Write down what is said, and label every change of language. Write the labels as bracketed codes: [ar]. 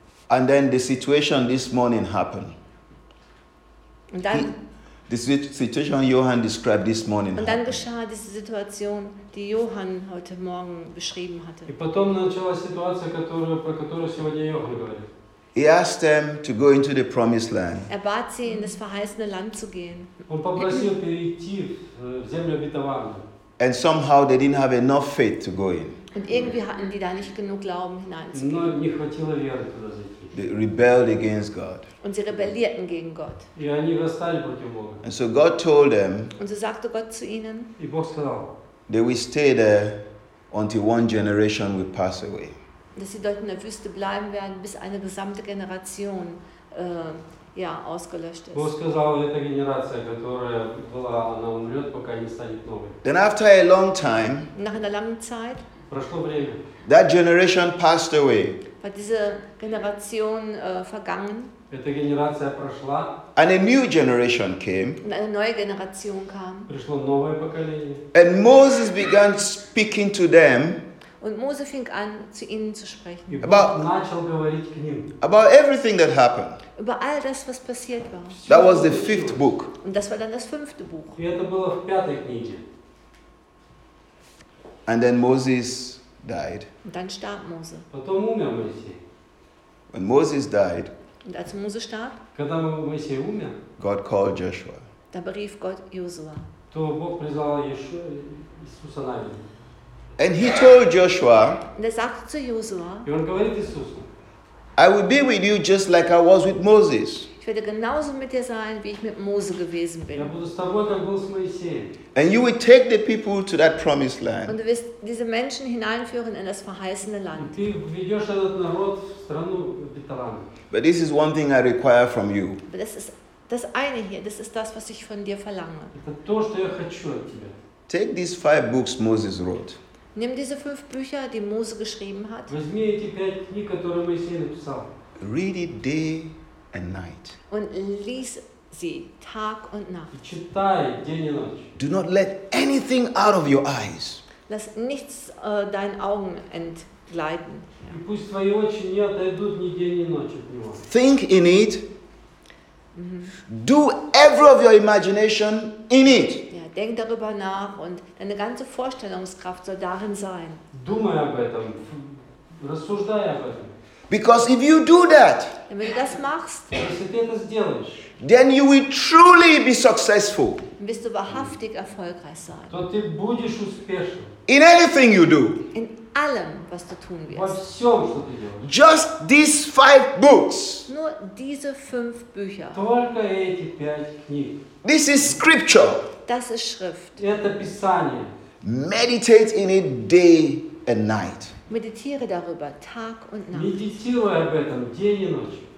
[en] And then the situation this morning happened. [de] Und dann, [en] the situation Johann described this morning. [de] Und dann geschah diese Situation, die Johann heute Morgen beschrieben hatte. [ru] И потом началась ситуация, про которую сегодня Йохан говорит. [en] He asked them to go into the promised land. [de] Er bat sie, in das verheißene Land zu gehen. [ru] Он попросил перейти в землю обетованную. [en] And somehow they didn't have enough faith to go in. [de] Und irgendwie hatten die da nicht genug Glauben hineinzugehen. [ru] Но не хватило веры туда зайти. [en] They rebelled against God. [de] Und sie rebellierten gegen Gott. [ru] И они восстали против Бога. [en] And so God told them. [de] Und so sagte Gott zu ihnen. [ru] И Бог сказал. [en] They will stay there until one generation will pass away. [de] Dass sie dort in der Wüste bleiben werden, bis eine gesamte Generation ja ausgelöscht ist. [ru] Бог сказал, эта генерация, которая была, она умрет, пока не станет новой. [en] Then after a long time. [de] Nach einer langen Zeit. [ru] Прошло время. [en] That generation passed away. [de] War diese Generation vergangen. [ru] Эта генерация прошла. [en] And a new generation came. [de] Und eine neue Generation kam. [ru] Пришло новое поколение. [en] And Moses began speaking to them. [de] Und Mose fing an, zu ihnen zu sprechen. [en] About everything that happened. [de] Über all das, was passiert war. [en] That was the fifth book. [de] Und das war dann das fünfte Buch. [ru] И это было в пятой книге. [en] And then Moses died. [de] Und dann starb Mose. [ru] Потом умер Моисей. [en] When Moses died. [de] Und als Mose starb. [ru] Когда Моисей умер. [en] God called Joshua. [de] Da berief Gott Josua. [ru] То Бог призвал Иисуса Навина. [en] And he told Joshua. [de] Und er sagte zu Josua. [ru] И он говорит Иисусу. [en] I will be with you just like I was with Moses. [de] Ich werde genauso mit dir sein, wie ich mit Mose gewesen bin. [ru] Я буду с тобой, как был с Моисеем. [en] And you will take the people to that promised land. [de] Und du wirst diese Menschen hineinführen in das verheißene Land. [ru] Ты ведешь этот народ в страну обетованную. [en] But this is one thing I require from you. [de] Aber das ist das eine hier. Das ist das, was ich von dir verlange. [ru] Это то, что я хочу от тебя. [en] Take these 5 books Moses wrote. [de] Nimm diese 5 Bücher, die Mose geschrieben hat. [ru] Возьми эти 5 книг, которые Моисей написал. [en] Read it day and night. [de] Und lies sie Tag und Nacht. [ru] И читай день и ночь. [en] Do not let anything out of your eyes. [de] Lass nichts deinen Augen entgleiten. [ru] И пусть твои очи не отойдут ни день, ни ночь от него. [en] Think in it. Do every of your imagination in it. [de] Denk darüber nach und deine ganze Vorstellungskraft soll darin sein. [ru] Думай об этом, рассуждай об этом. [en] Because if you do that, [de] wenn du das machst, [en] then you will truly be successful. [de] Wirst du wahrhaftig erfolgreich sein. [ru] То ты будешь успешен. [en] In anything you do. [de] In allem, was du tun wirst. [ru] Во всем, что ты делаешь. [en] Just these 5 books. [de] Nur diese 5 Bücher. [ru] Только эти 5 книг. [en] This is scripture. [de] Das ist Schrift. [ru] Это Писание. [en] Meditate in it day and night. [de] Meditiere darüber Tag und Nacht. Meditiere [ru] об этом день и ночь.